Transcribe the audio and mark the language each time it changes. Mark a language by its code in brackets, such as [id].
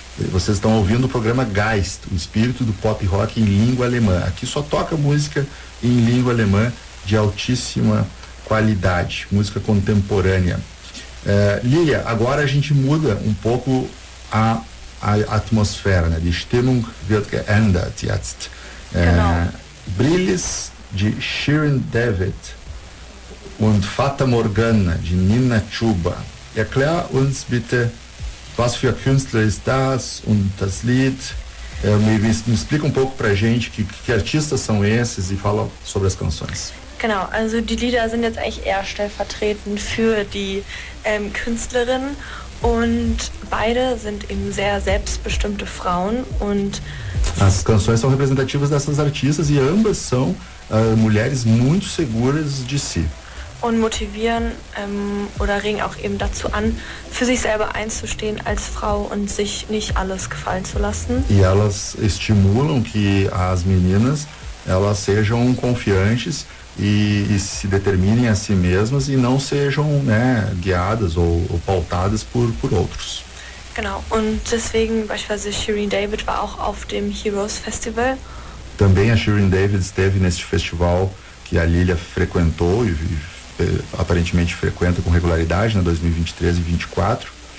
[pt] Vocês estão ouvindo o programa Geist, o espírito do pop rock em língua alemã. Aqui só toca música em língua alemã de altíssima qualidade, música contemporânea. Lilia, agora a gente muda um pouco a atmosfera, né? [de] Die Stimmung wird geändert jetzt. Genau. Brillis de Shirin David und Fata Morgana de Nina Chuba. Erklär uns bitte, was für Künstler ist das und das Lied? [pt] Me explica um pouco pra gente que artistas são esses e fala sobre as canções. [de] Genau, also die Lieder sind jetzt eigentlich eher stellvertretend für die Künstlerin. Und beide sind eben sehr selbstbestimmte Frauen und [pt] as canções são representativas dessas artistas e ambas são mulheres muito seguras de si. [de] Und motivieren oder regen auch eben dazu an, für sich selber einzustehen als Frau und sich nicht alles gefallen zu lassen. [pt] E elas estimulam que as meninas elas sejam confiantes e se determinem a si mesmas e não sejam, né, guiadas ou pautadas por outros. [de] Genau, und deswegen beispielsweise Shirin David war auch auf dem Heroes Festival. [pt] Também a Shirin David esteve neste festival que a Lilia frequentou e aparentemente frequenta com regularidade, né, 2023 e 24.